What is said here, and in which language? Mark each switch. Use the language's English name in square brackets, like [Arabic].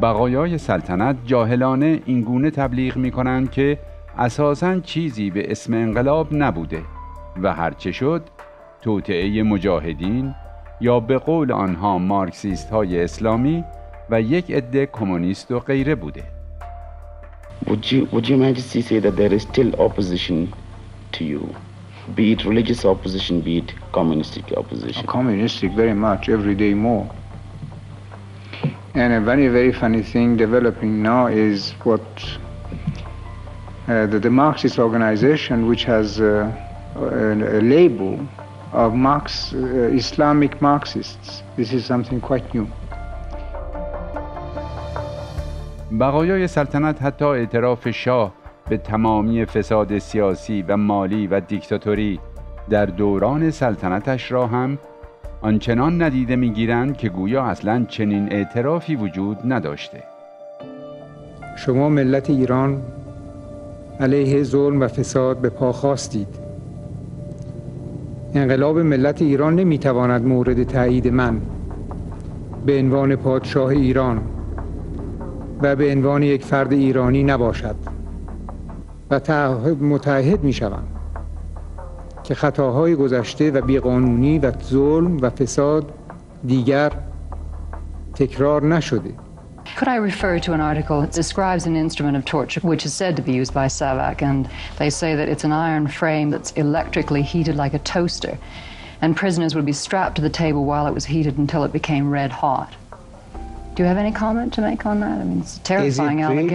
[Persian] بقایای سلطنت جاهلانه این گونه تبلیغ می کنند که اساساً چیزی به اسم انقلاب نبوده و هرچه شد توطئه مجاهدین یا به قول آنها مارکسیست های اسلامی و یک عده کمونیست و غیره بوده. [English] Would your majesty say that there is still opposition to you, be it religious opposition, be it communistic opposition? Communistic very much, every day more. And a very, very funny thing developing now is what the Marxist organization, which has a label of Marx, Islamic Marxists. This is something quite new. [Persian] بقایای سلطنت حتی اعتراف شاه به تمامی فساد سیاسی و مالی و دیکتاتوری در دوران سلطنتش را هم آنچنان ندیده میگیرند که گویا اصلاً چنین اعترافی وجود نداشته. شما ملت ایران علیه ظلم و فساد به پا خواستید. انقلاب ملت ایران نمیتواند مورد تایید من به عنوان پادشاه ایران و به عنوان یک فرد ایرانی نباشد و متعهد میشوم که خطاهای گذشته و بیقانونی و ظلم و فساد دیگر تکرار نشده. [English] Could I refer to an article that describes an instrument of torture which is said to be used by Savak, and they say that it's an iron frame that's electrically heated like a toaster, and prisoners would be strapped to the table while it was heated until it became red hot. Do you have any comment to make on that? I mean, it's a terrifying allegation.